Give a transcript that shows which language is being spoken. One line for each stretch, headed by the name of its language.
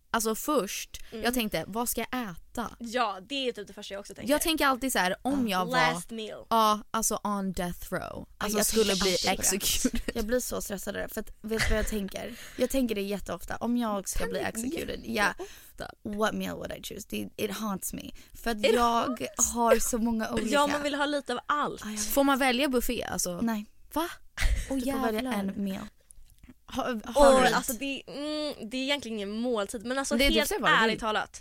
Swedish: Alltså först, jag tänkte, vad ska jag äta? Ja, det är typ det första jag också tänker. Jag tänker alltid så här, om jag
English: last
Swedish: var...
English: meal.
Swedish: Ja, alltså
English: on death row.
Swedish: Alltså jag skulle bli executed. Jag blir så stressad där, för att, vet du vad jag tänker? Jag tänker det jätteofta. Om jag ska bli
English: executed, what meal would I choose? It haunts me.
Swedish: För att jag har så många olika. Ja, man vill ha lite av allt. Får man välja buffé? Alltså? Nej. Va? Oh, du får välja en meal. Alltså det är egentligen ingen måltid. Men alltså det helt bara, ärligt talat